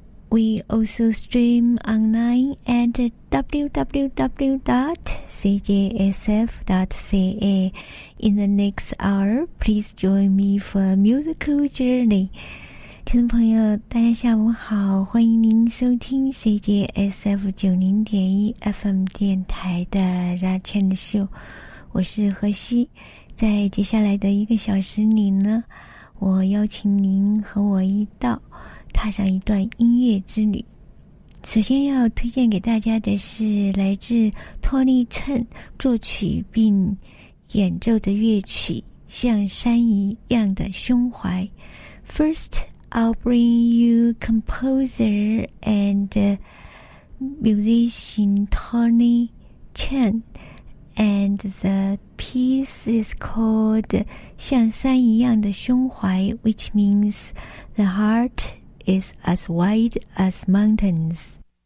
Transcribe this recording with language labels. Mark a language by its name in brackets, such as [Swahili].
[English] We also stream online at www.cjsf.ca. In the next hour, please join me for a musical journey. [Chinese] 听众朋友，大家下午好，欢迎您收听 CJSF 90.1 FM 电台的 Ra Chen Show. 我是何西，在接下来的一个小时里呢，我邀请您和我一道踏上一段音乐之旅。首先要推荐给大家的是来自托尼·陈作曲并演奏的乐曲《像山一样的胸怀》。 [English] First, I'll bring you composer and musician Tony Chen, and thePiece is called [Chinese] 像山一样的胸怀 [English] which means the heart is as wide as mountains.